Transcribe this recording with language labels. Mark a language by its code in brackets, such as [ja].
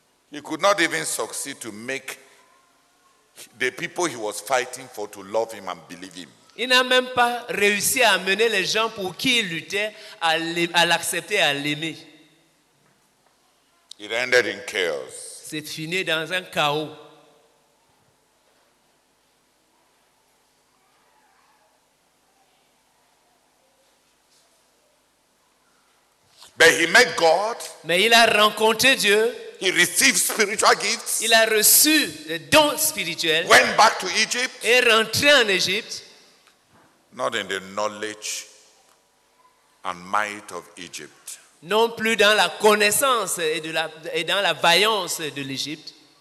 [en] He could not even succeed to make the people he was fighting for to love him and believe him. [fr] Il n'a même pas réussi à amener les gens pour qui il luttait à l'accepter, à l'aimer. [en] It ended in chaos. [fr] C'est fini dans un chaos. [en] But he met God. [fr] Mais il a rencontré Dieu. [en] He received spiritual gifts. [fr] Il a reçu des dons spirituels. [en] Went back to Egypt. [fr] Et rentré en Égypte. [en] Not in the knowledge and might of Egypt. [fr] Non plus dans la connaissance et dans la vaillance de l'Égypte.